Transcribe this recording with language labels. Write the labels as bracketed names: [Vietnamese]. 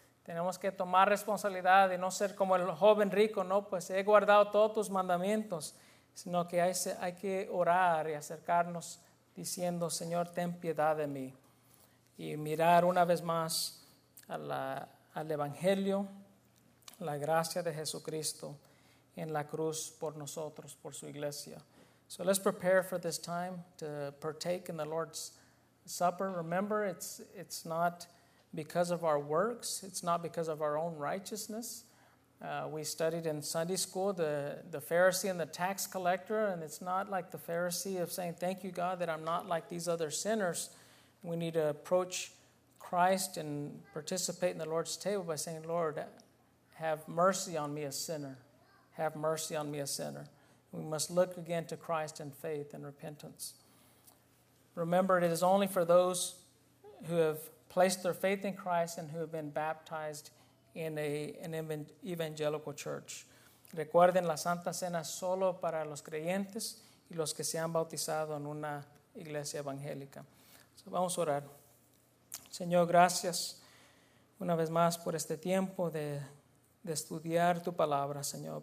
[Spanish] Tenemos que tomar responsabilidad y no ser como el joven rico, no, pues he guardado todos tus mandamientos, sino que hay que orar y acercarnos diciendo, Señor, ten piedad de mí. Y mirar una vez más al Evangelio, la gracia de Jesucristo en la cruz por nosotros, por su iglesia. [English] So let's prepare for this time to partake in the Lord's Supper. Remember, it's not because of our works, it's not because of our own righteousness. We studied in Sunday school the Pharisee and the tax collector, and it's not like the Pharisee of saying, thank you, God, that I'm not like these other sinners. We need to approach Christ and participate in the Lord's table by saying, Lord, have mercy on me, a sinner. Have mercy on me, a sinner. We must look again to Christ in faith and repentance. Remember, it is only for those who have placed their faith in Christ and who have been baptized in an evangelical church. [Spanish] Recuerden, la Santa Cena solo para los creyentes y los que se han bautizado en una iglesia evangélica. Vamos a orar. Señor, gracias una vez más por este tiempo de estudiar tu palabra, Señor.